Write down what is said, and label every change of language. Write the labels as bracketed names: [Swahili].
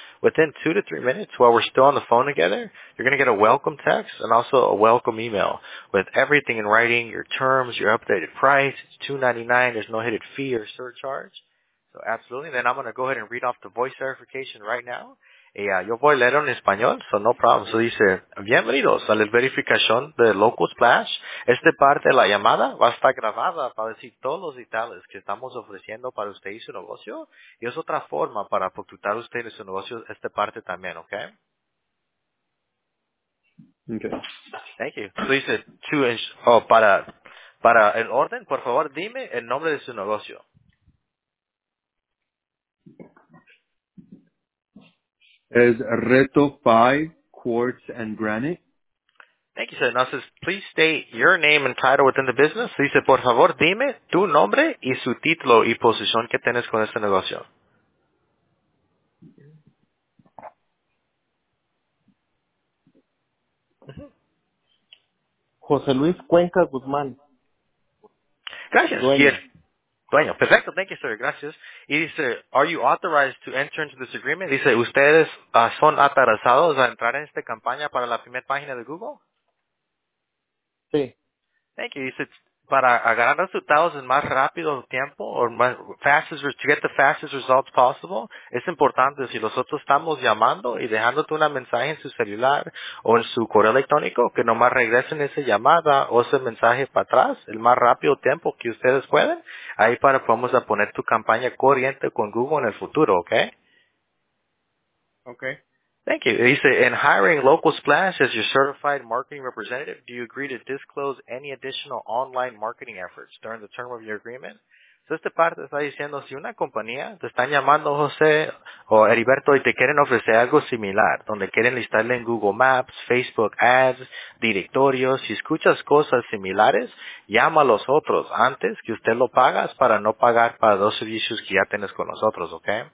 [English] Within 2 to 3 minutes, while we're still on the phone together, you're going to get a welcome text and also a welcome email with everything in writing, your terms, your updated price. It's $299. There's no hidden fee or surcharge. So absolutely. Then I'm going to go ahead and read off the voice verification right now. [Spanish] Yo voy a leerlo en español, [English] so no problem. [Spanish] So dice, bienvenidos a la verificación de Local Splash. Este parte de la llamada va a estar grabada para decir todos los detalles que estamos ofreciendo para usted y su negocio. Y es otra forma para facturar usted y su negocio esta parte también, ¿ok? Okay. [English] Thank you. [Spanish] So dice, para el orden, por favor, dime el nombre de su negocio. [English] Is Reto 5 Quartz and Granite. Thank you, sir. Now it says, please state your name and title within the business. [Spanish] So dice, por favor, dime tu nombre y su título y posición que tienes con este negocio. José Luis Cuenca Guzmán. Gracias. Dueño, [English] perfecto, thank you, sir, gracias. [Spanish] Y dice, [English] are you authorized to enter into this agreement? [Spanish] Dice, ¿ustedes son autorizados a entrar en esta campaña para la primera página de Google? Sí. [English] Thank you. [Spanish] Dice, para agarrar resultados en más rápido tiempo, or más, [English] to get the fastest results possible, [Spanish] es importante si nosotros estamos llamando y dejándote una mensaje en su celular o en su correo electrónico, que nomás regresen esa llamada o ese mensaje para atrás, el más rápido tiempo que ustedes pueden, ahí para podemos poner tu campaña corriente con Google en el futuro, ¿ok? Okay. [English] Thank you. He said, in hiring Local Splash as your certified marketing representative, do you agree to disclose any additional online marketing efforts during the term of your agreement? [Spanish] So esta parte está diciendo, si una compañía te están llamando, José o Heriberto, y te quieren ofrecer algo similar, donde quieren listarle en Google Maps, Facebook Ads, directorios, si escuchas cosas similares, llama a los otros antes que usted lo pagas para no pagar para dos servicios que ya tienes con nosotros, ¿ok?